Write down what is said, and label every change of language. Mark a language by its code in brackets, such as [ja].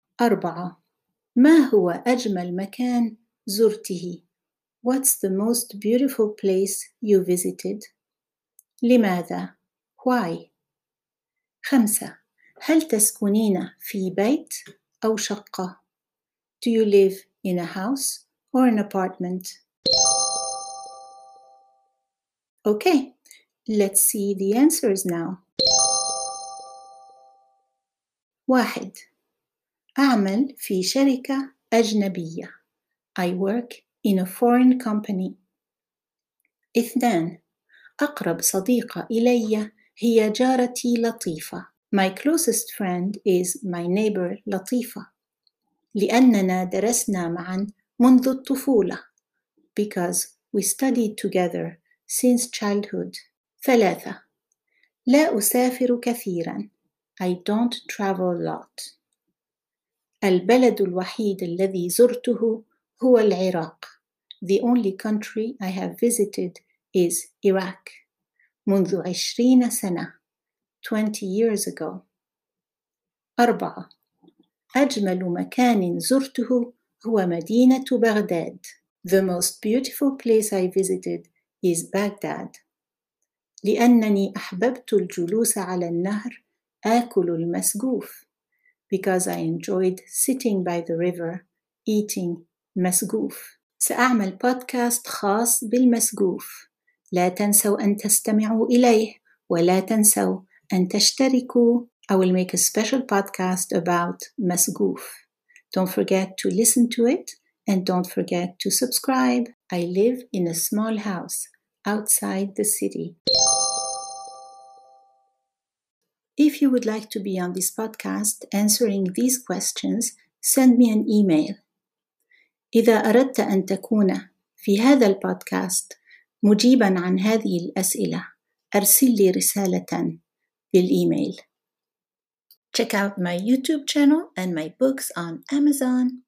[ar] أربعة, ما هو أجمل مكان زرته? [en] What's the most beautiful place you visited? [ar] لماذا? [en] Why? [ar] خمسة, هل تسكنين في بيت أو شقة? [en] Do you live in a house or an apartment? Okay, let's see the answers now. [ar] واحد, أعمل في شركة أجنبية. [en] I work in a foreign company. [ar] اثنان, أقرب صديقة إلي هي جارتي لطيفة. [en] My closest friend is my neighbor لطيفة. [ar] لأننا درسنا معا منذ الطفولة. [en] Because we studied together since childhood. [ar] ثلاثة, لا أسافر كثيرا. [en] I don't travel a lot. [ar] البلد الوحيد الذي زرته هو العراق. [en] The only country I have visited is Iraq. [ar] منذ 20 سنة. [en] 20 years ago. [ar] أربعة, أجمل مكان زرته هو مدينة بغداد. [en] The most beautiful place I visited is Baghdad. [ar] لأنني أحببت الجلوس على النهر آكل المسقوف. [en] Because I enjoyed sitting by the river eating مسقوف. [ar] سأعمل بودكاست خاص بالمسقوف. لا تنسوا أن تستمعوا إليه ولا تنسوا أن تشتركوا. [en] I will make a special podcast about مسقوف. Don't forget to listen to it and don't forget to subscribe. I live in a small house outside the city. If you would like to be on this podcast answering these questions, send me an email. [ar] إذا أردت أن تكون في هذا البودكاست مجيباً عن هذه الأسئلة، أرسل لي رسالة بالإيميل. [en] Check out my YouTube channel and my books on Amazon.